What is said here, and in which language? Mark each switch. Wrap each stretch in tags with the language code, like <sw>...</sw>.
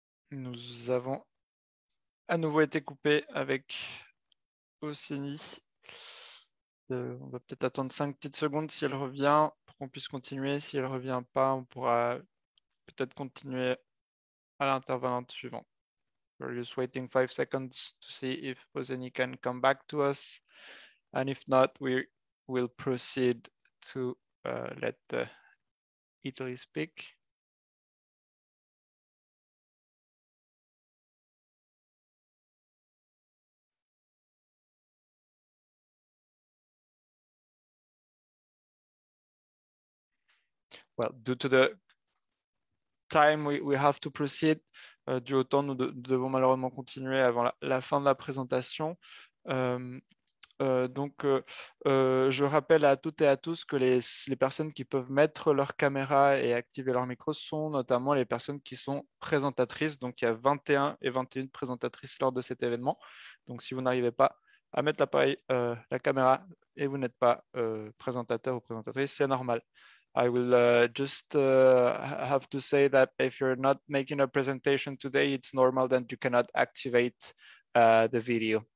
<fr>Nous avons à nouveau été coupés avec Océni. On va peut-être attendre 5 petites secondes si elle revient pour qu'on puisse continuer. Si elle ne revient pas, on pourra peut-être continuer à l'intervenante suivant.</fr> <en>We're just waiting 5 seconds to see if Océni can come back to us. And if not, we will proceed to let Italy speak. Well, due to the time, we have to proceed.</en> <fr>Du au temps, nous devons malheureusement continuer avant la fin de la présentation. Je rappelle à toutes et à tous que les personnes qui peuvent mettre leur caméra et activer leur micro sont notamment les personnes qui sont présentatrices. Donc, il y a 21 et 21 présentatrices lors de cet événement. Donc, si vous n'arrivez pas à mettre l'appareil, la caméra et vous n'êtes pas présentateur ou présentatrice, c'est normal.</fr> <en>I will have to say that if you're not making a presentation today, it's normal that you cannot activate the video.</en>